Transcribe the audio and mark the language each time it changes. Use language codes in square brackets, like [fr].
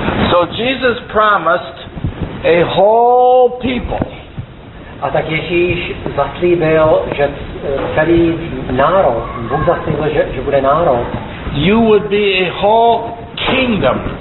[en] So Jesus promised a whole people. [cs] A tak Ježíš zaslíbil, že celý národ, Bůh zaslíbil, že bude národ. [en] You would be a whole kingdom.